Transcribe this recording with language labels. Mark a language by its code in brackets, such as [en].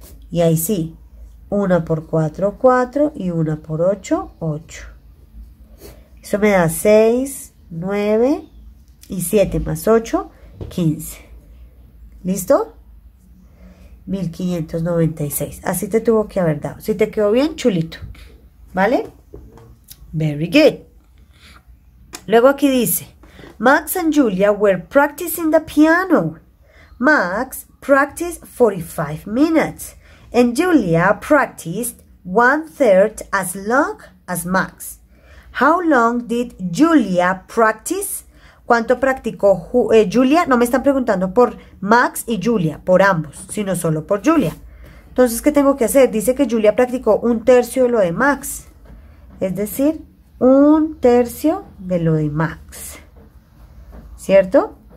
[es] Y ahí sí, 1 por 4, 4 y 1 por 8, 8. Eso me da 6, 9 y 7 más 8, 15. ¿Listo? 1596. Así te tuvo que haber dado. Si te quedó bien, chulito. ¿Vale? [en] Very good. [es] Luego aquí dice, [en] Max and Julia were practicing the piano. Max practiced 45 minutes and Julia practiced one third as long as Max. How long did Julia practice? [es] ¿Cuánto practicó Julia? No me están preguntando por Max y Julia, por ambos, sino solo por Julia. Entonces, ¿qué tengo que hacer? Dice que Julia practicó un tercio de lo de Max. Es decir, un tercio de lo de Max. ¿Cierto?